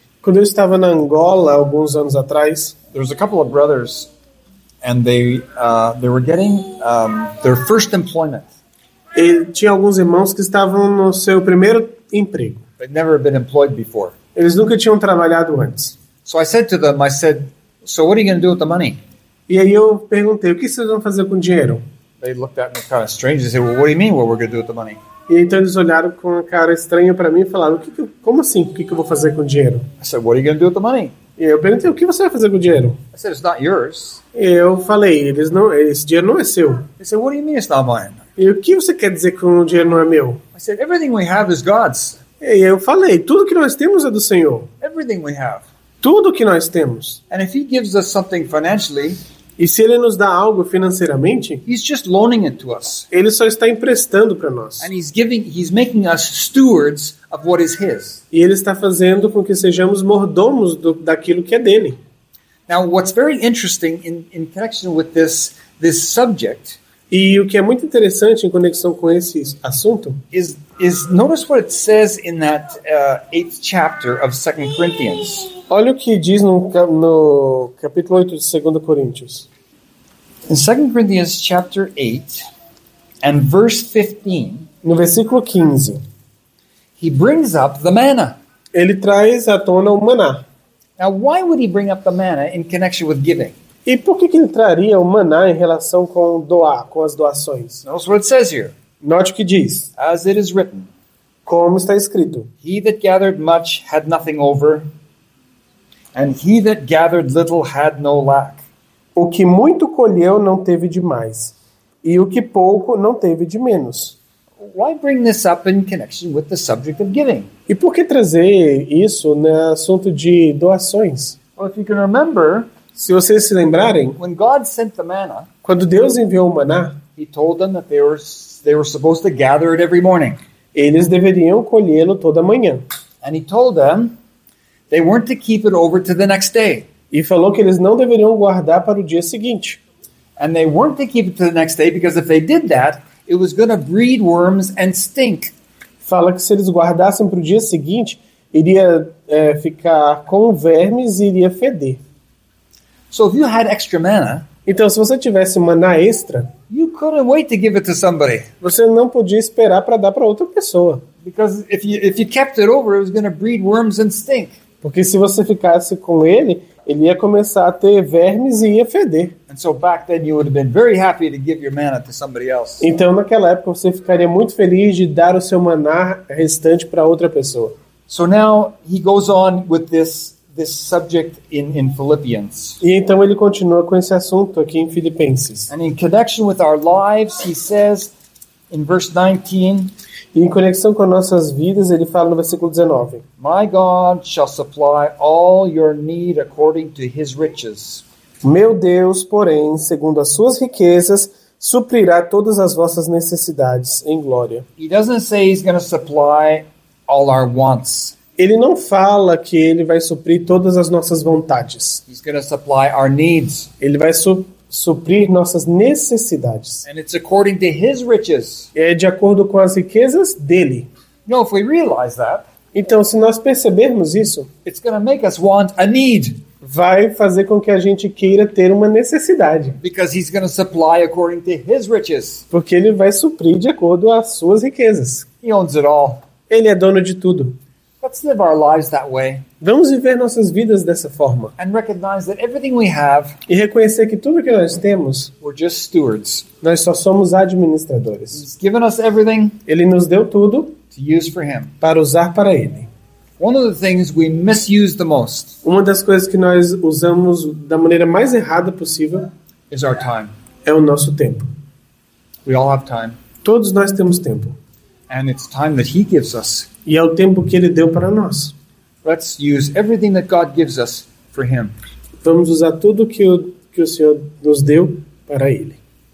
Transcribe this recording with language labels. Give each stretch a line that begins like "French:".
Portuguese: Quando eu estava na Angola alguns anos atrás.
English: There was a couple of brothers and they were getting their first employment.
Portuguese: E tinha alguns irmãos que estavam no seu primeiro emprego.
English: They'd never been employed before.
Portuguese: Eles nunca tinham trabalhado antes.
English: So I said to them, I said, so what are you going to do with the money?
Portuguese: E aí eu perguntei, o que vocês vão fazer com o dinheiro?
English: They looked at me kind of strange and said, well, what do you mean what we're going to do with the money?
Portuguese: E então eles olharam com uma cara estranha para mim e falaram, como assim, o que eu vou fazer com o dinheiro?
English: I said, what are you going to do with the money?
Portuguese: E eu perguntei, o que você vai fazer com o dinheiro?
English: I said, it's not yours.
Portuguese: E eu falei, esse dinheiro não é seu.
English: They said, what do you mean it's not mine?
Portuguese: E o que você quer dizer que o dinheiro não é meu?
English: I said, everything we have is God's.
Portuguese: E eu falei, tudo que nós temos é do Senhor.
English: Everything we have.
Portuguese: Tudo que nós temos.
English: And if he gives us something financially,
Portuguese: e se ele nos dá algo financeiramente,
English: he's just loaning it to us.
Portuguese: Ele só está emprestando para nós.
English: And he's making us stewards of what is his.
Portuguese: E ele está fazendo com que sejamos mordomos daquilo que é dele.
English: Now, what's very interesting in connection with this this subject.
Portuguese: E o que é muito interessante em conexão com esse assunto
English: is notice what it says in that eighth chapter of 2 Corinthians.
Portuguese: Olha o que diz no capítulo 8 de 2 Coríntios.
English: In 2 Corinthians chapter 8 and verse 15,
Portuguese: no versículo 15,
English: he brings up the manna.
Portuguese: Ele traz à tona o maná.
English: Now, why would he bring up the manna in connection with giving?
Portuguese: E por que que ele traria o maná em relação com doar, com as doações?
English: Notice what it says here.
Portuguese: Note o que diz.
English: As it is written.
Portuguese: Como está escrito.
English: He that gathered much had nothing over, and he that gathered little had no lack.
Portuguese: O que muito colheu não teve de mais, e o que pouco não teve de menos.
English: Why bring this up in connection with the subject of giving?
Portuguese: E por que trazer isso no assunto de doações?
English: Well, if you can remember,
Portuguese: se vocês se lembrarem,
English: when God sent the manna,
Portuguese: quando Deus enviou o maná,
English: he told them that they were supposed to gather it every morning.
Portuguese: Eles deveriam colhê-lo toda manhã.
English: And he told them they weren't to keep it over to the next day.
Portuguese: E falou que eles não deveriam guardar para o dia seguinte.
English: And they weren't to keep it to the next day because if they did that, it was going to breed worms and stink.
Portuguese: Fala que se eles guardassem para o dia seguinte, iria ficar com vermes e iria feder.
English: So if you had extra manna,
Portuguese: então se você tivesse maná extra,
English: you couldn't wait to give it to somebody.
Portuguese: Você não podia esperar para dar para outra pessoa.
English: Because if you kept it over, it was going to breed worms and stink.
Portuguese: Porque se você ficasse com ele, ele ia começar a ter vermes e ia feder.
English: And so back then you would have been very happy to give your manna to somebody else.
Portuguese: Então naquela época você ficaria muito feliz de dar o seu maná restante para outra pessoa.
English: So now he goes on with this subject in Philippians.
Portuguese: E então ele continua com esse assunto aqui em Filipenses.
English: And in connection with our lives, he says in verse 19.
Portuguese: E em conexão com nossas vidas, ele fala no versículo 19.
English: My God shall supply all your need according to his riches.
Portuguese: Meu Deus, porém, segundo as suas riquezas, suprirá todas as vossas necessidades em glória.
English: He doesn't say he's going to supply all our wants.
Portuguese: Ele não fala que ele vai suprir todas as nossas vontades.
English: He's going to supply our needs.
Portuguese: Ele vai suprir nossas necessidades.
English: And it's according to his riches.
Portuguese: É de acordo com as riquezas dele.
English: No, if we realize that,
Portuguese: então, se nós percebermos isso,
English: it's going to make us want a need.
Portuguese: Vai fazer com que a gente queira ter uma necessidade.
English: Because he's going to supply according to his riches.
Portuguese: Porque ele vai suprir de acordo às suas riquezas.
English: He owns it all.
Portuguese: Ele é dono de tudo.
English: Let's live our lives that way.
Portuguese: Vamos viver nossas vidas dessa forma.
English: And recognize that everything we have,
Portuguese: e reconhecer que tudo que nós temos,
English: we're just stewards.
Portuguese: Nós só somos administradores.
English: He's given us everything,
Portuguese: ele nos deu tudo
English: to use for him,
Portuguese: para usar para ele.
English: One of the things we misuse the most,
Portuguese: uma das coisas que nós usamos da maneira mais errada possível,
English: is our time.
Portuguese: É o nosso tempo.
English: We all have time.
Portuguese: Todos nós temos tempo.
English: And it's time that he gives us.
Portuguese: E é o tempo que ele deu para nós.
English: Let's use everything that God gives us for him.
Portuguese: Vamos usar tudo que o Senhor nos deu para ele.